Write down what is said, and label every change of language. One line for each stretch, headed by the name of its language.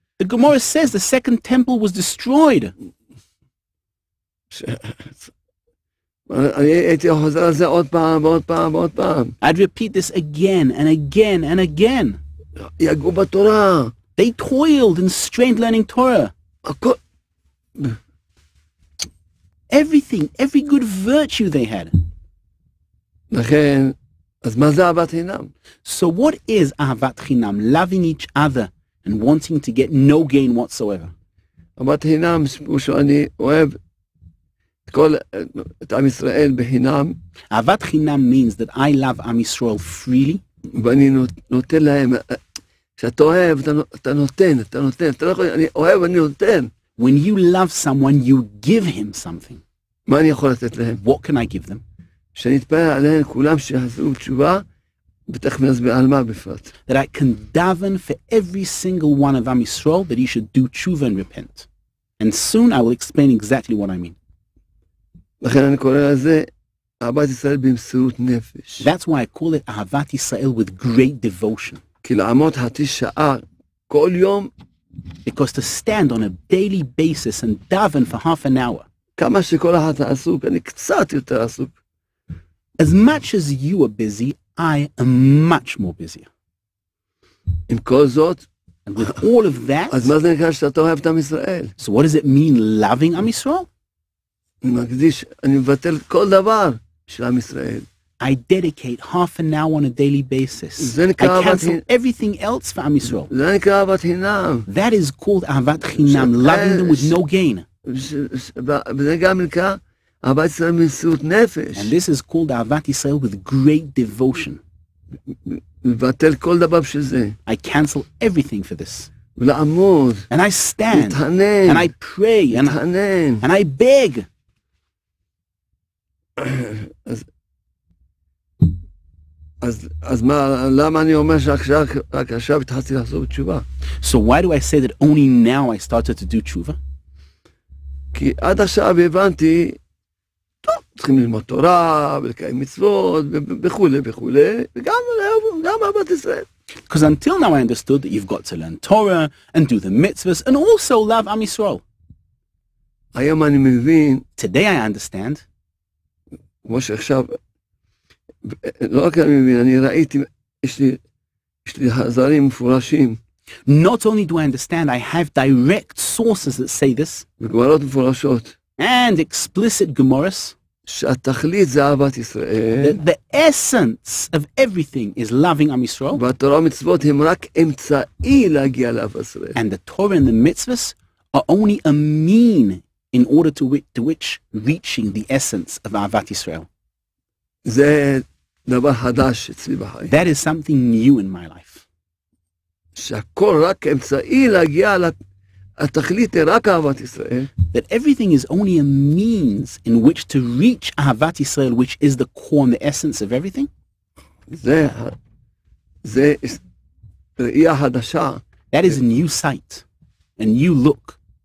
English: The Gemara says the second temple was destroyed.
Hebrew: אני הייתי חוזר על זה עוד פעם ועוד פעם ועוד פעם.
English: I'd repeat this again and again and again.
Hebrew: יגעו בתורה.
English: They toiled and strained learning Torah. Everything, every good virtue they had.
Hebrew: לכן אז מה זה אהבת חינם?
English: So what is אהבת חינם? Loving each other and wanting to get no gain whatsoever.
Hebrew: אהבת חינם, שאני אוהב את כל את עם ישראל בחינם.
English: אהבת חינם means that I love עם ישראל freely.
Hebrew: ואני נותן להם, כשאתה אוהב, אתה נותן, אתה נותן, אתה לא יכול, אני אוהב, אני נותן.
English: When you love someone, you give him something.
Hebrew: מה אני יכול לתת להם?
English: What can I give them?
Hebrew: שנתפלל עליהם כולם שיחזרו תשובה, ותכף נסביר על מה בפרט.
English: That I can daven for every single one of Am Yisrael that he should do tshuva and repent. And soon I will explain exactly what I mean.
Hebrew: לכן אני קורא לזה אהבת ישראל במסירות נפש.
English: That's why I call it אהבת ישראל with great devotion.
Hebrew: כי לעמוד חצי שעה כל יום.
English: Because to stand on a daily basis and daven for half an hour.
Hebrew: כמה שכל אחד עסוק, אני קצת יותר עסוק.
English: As much as you are busy, I am much more busier.
Hebrew: עם כל זאת,
English: and with all of that,
Hebrew: אז מה זה נקרא שאתה אוהב את עם ישראל?
English: So what does it mean loving עם ישראל?
Hebrew: מקדיש, אני מבטל כל דבר של עם ישראל.
English: I dedicate half an hour on a daily basis.
Hebrew: זה נקרא אהבת חינם.
English: I cancel everything else for עם ישראל.
Hebrew: זה נקרא אהבת חינם.
English: That is called אהבת חינם, loving them with no gain.
Hebrew: וזה גם נקרא אהבת ישראל במסירות נפש.
English: And this is called אהבת ישראל with great devotion.
Hebrew: מבטל כל דבר של זה.
English: I cancel everything for this.
Hebrew: ולעמוד.
English: And I stand.
Hebrew: מתענן.
English: And I pray.
Hebrew: מתענן.
English: And I beg.
Hebrew: אז מה, למה אני אומר שעכשיו התחלתי לעשות תשובה?
English: So why do I say that only now I started to do תשובה?
Hebrew: כי עד עכשיו הבנתי, צריכים ללמוד תורה, ולקיים מצוות, וכו', וכו', וגם לאהוב, גם אהבת ישראל.
English: Because until now I understood that you've got to learn Torah, and do the mitzvahs, and also love Am Yisrael.
Hebrew: היום אני מבין.
English: Today I understand.
Hebrew: כמו שעכשיו, לא רק אני מבין, אני ראיתי, יש לי חזרים מפורשים.
English: Not only do I understand, I have direct sources that say this.
Hebrew: וגמרות מפורשות.
English: And explicit gemaras.
Hebrew: שהתכלית זה אהבת ישראל.
English: The essence of everything is loving Am Yisrael.
Hebrew: והתורה ומצוות הם רק אמצעי להגיע לאהבת ישראל.
English: And the Torah and the mitzvahs are only a mean in order to which reaching the essence of אהבת ישראל.
Hebrew: זה דבר חדש אצלי בחיים.
English: That is something new in my life.
Hebrew: שהכל רק אמצעי להגיע התכלית היא רק אהבת ישראל.
English: That everything is only a means in which to reach אהבת ישראל, which is the core and the essence of everything.
Hebrew: זה ראייה חדשה.
English: That is a new sight, a new look.